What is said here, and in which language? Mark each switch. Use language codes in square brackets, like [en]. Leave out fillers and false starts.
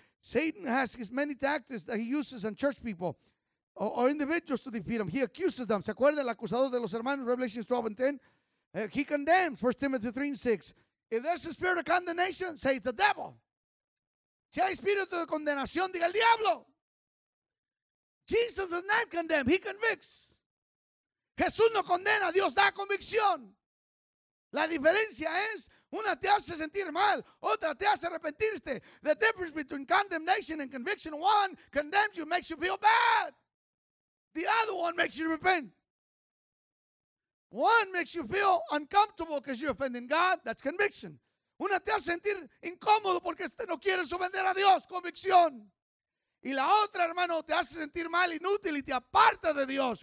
[en] Satan has his many tactics that he uses on church people. Or individuals to defeat him. He accuses them. [es] ¿Se acuerda el acusador de los hermanos? [en] Revelation 12 and 10. He condemns. 1 Timothy 3 and 6. If there's a spirit of condemnation, say it's the devil. [es] Si hay espíritu de condenación, diga el diablo. [en] Jesus does not condemn. He convicts. [es] Jesús no condena. Dios da convicción. La diferencia es, una te hace sentir mal, otra te hace arrepentirte. [en] The difference between condemnation and conviction, one condemns you, makes you feel bad. The other one makes you repent. One makes you feel uncomfortable because you're offending God. That's conviction. [es] Una te hace sentir incómodo porque no quieres ofender a Dios. Convicción. Y la otra, hermano, te hace sentir mal, inútil y te aparta de Dios.